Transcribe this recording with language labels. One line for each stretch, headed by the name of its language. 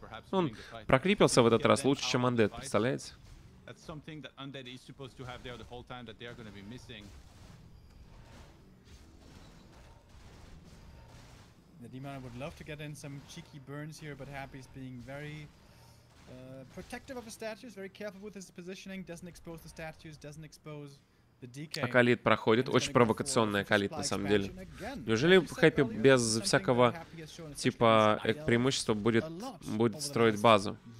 Russian: Он прокрепился в этот раз лучше, чем Undead, представляете?
English: That's something that Undead is supposed to have there the whole time that they are going to be missing. The demon would love to get in some cheeky burns here, but Happy's being very protective of the statues, very careful with his positioning, doesn't expose the statues, doesn't expose the DK.
Russian: Акалит проходит, очень провокационная Акалит на самом деле. Неужели Happy без всякого типа преимущества будет строить базу?